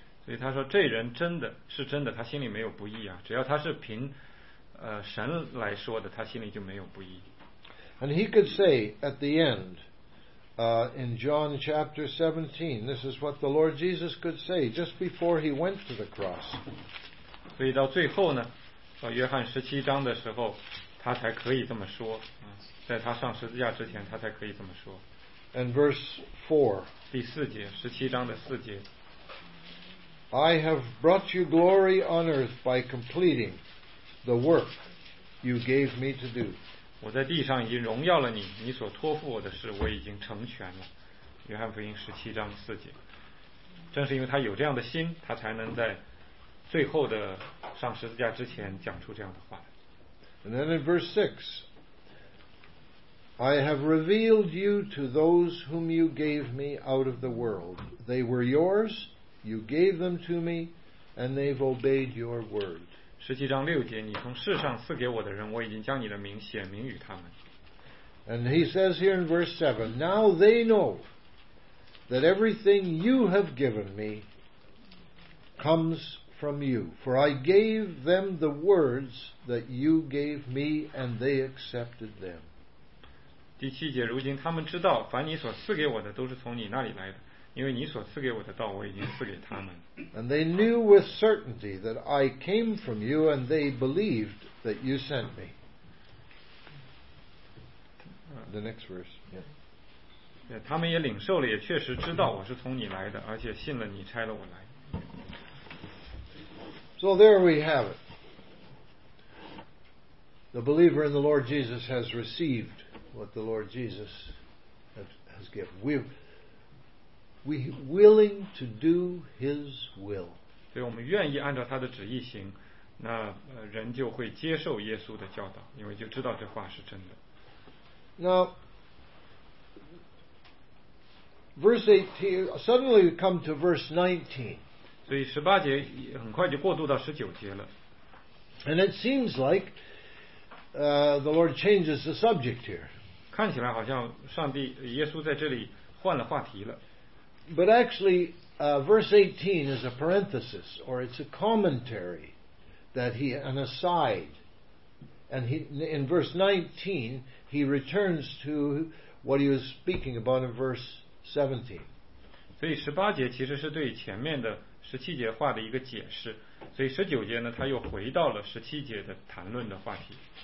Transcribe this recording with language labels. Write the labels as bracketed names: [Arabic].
[Chinese] 所以他说，这人真的是真的，他心里没有不义啊。只要他是凭神来说的，他心里就没有不义。 [English] And he could say at the end, in John chapter 17, this is what the Lord Jesus could say just before he went to the cross. [Chinese] 所以到最后呢，到约翰十七章的时候，他才可以这么说。在他上十字架之前，他才可以这么说。 [English] And verse 4, [Chinese] 第四节，十七章的四节。 [English] I have brought you glory on earth by completing the work you gave me to do. [Chinese] 我在地上已经荣耀了你，你所托付我的事，我已经成全了。约翰福音十七章四节。正是因为他有这样的心，他才能在最后的上十字架之前讲出这样的话。 [English] And then in verse 6,I have revealed you to those whom you gave me out of the world. They were yours, you gave them to me, and they've obeyed your word. [Chinese] 十七章六节，你从世上赐给我的人，我已经将你的名显明与他们。 [English] And he says here in verse 7, now they know that everything you have given me comes from you. For I gave them the words that you gave me, and they accepted them. [Chinese] 第七节，如今他们知道，凡你所赐给我的，都是从你那里来的，因为你所赐给我的道，我已经赐给他们。 [English] And they knew with certainty that I came from you, and they believed that you sent me. The next verse. Yeah. [Chinese] 他们也领受了，也确实知道我是从你来的，而且信了你差了我来。 [English] So there we have it. The believer in the Lord Jesus has received. What the Lord Jesus has given. We willing to do His will. [Chinese] 所以我们愿意按照他的旨意行，那人就会接受耶稣的教导，因为就知道这话是真的。 [English] Now, verse 18, suddenly we come to verse 19. [Chinese] 所以十八节很快就过渡到十九节了。 [English] And it seems like the Lord changes the subject here. [Chinese] 看起来好像上帝耶稣在这里换了话题了。 [English] But actually, verse 18 is a parenthesis, or it's a commentary that he, an aside. And he, in verse 19, he returns to what he was speaking about in verse 17. [Chinese] 所以十八节其实是对前面的十七节话的一个解释。所以十九节呢，他又回到了十七节的谈论的话题。